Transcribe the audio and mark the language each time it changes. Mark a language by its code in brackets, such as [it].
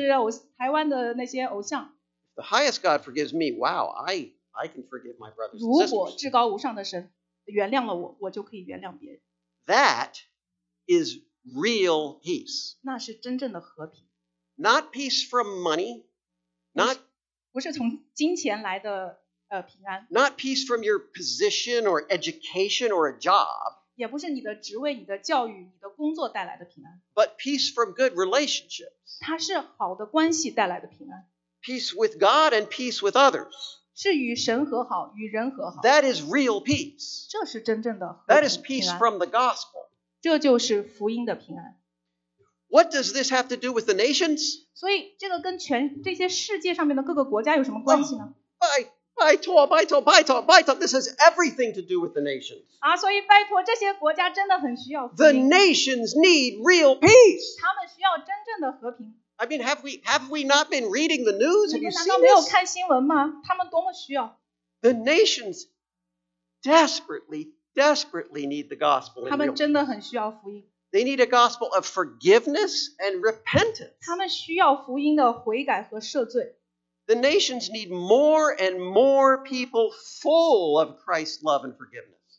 [zh] 这不是一些小小的偶像，或者是台湾的那些偶像。 [en] The highest God forgives me, wow, I can forgive my brothers and sisters. [zh] 如果至高无上的神原谅了我，我就可以原谅别人。 [en] That is real peace. [zh] 那是真正的和平。 [en] Not peace from money. Not [zh] 不是从金钱来的平安。 [en] Not peace from your position or education or a job. [zh] 也不是你的职位、你的教育、你的工作带来的平安。 [en] But peace from good relationships. [zh] 它是好的关系带来的平安。 [en] Peace with God and peace with others. [zh] 是与神和好，与人和好。 [en] That is real peace. [zh] 这是真正的和平。 [en] That is peace from the gospel. [zh] 这就是福音的平安。 [en] What does this have to do with the nations? [zh] 所以这个跟全这些世界上面的各个国家有什么关系呢？ [en] By [zh] 拜托, [en] this has everything to do with the nations. [zh] 啊, 所以拜托, 这些国家真的很需要平, [en] the nations need real peace. [zh] 他们需要真正的和平。 [en] I mean, have we not been reading the news? Have you seen this? [zh] 他们多么需要? [en] The nations desperately, desperately need the gospel. [zh] 他们真的很需要福音。 [en] They need a gospel of forgiveness and repentance. [zh] 他们需要福音的悔改和赦罪。 [en] The nations need more and more people full of Christ's love and forgiveness.